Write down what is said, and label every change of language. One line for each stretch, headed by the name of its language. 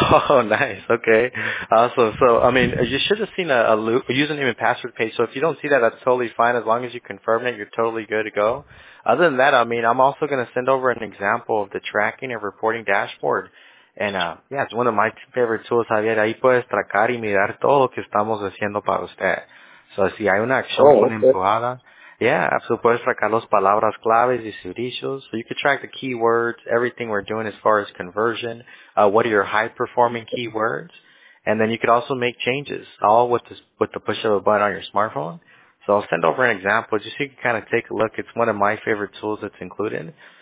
English: Oh, nice. Okay. Awesome. So, I mean, you should have seen a username and password page. So if you don't see that, that's totally fine. As long as you confirm it, you're totally good to go. Other than that, I mean, I'm also going to send over an example of the tracking and reporting dashboard. And, yeah, it's one of my favorite tools, Javier.
Spanish: Ahí puedes tracar y mirar todo lo que estamos haciendo para usted. So, si hay una acción empujada, yeah, so puedes tracar las palabras claves y servicios.
English: So, you can track the keywords, everything we're doing as far as conversion, what are your high-performing keywords, and then you could also make changes, all with the push of a button on your smartphone. So, I'll send over an example just so you can kind of take a look. It's one of my favorite tools that's included.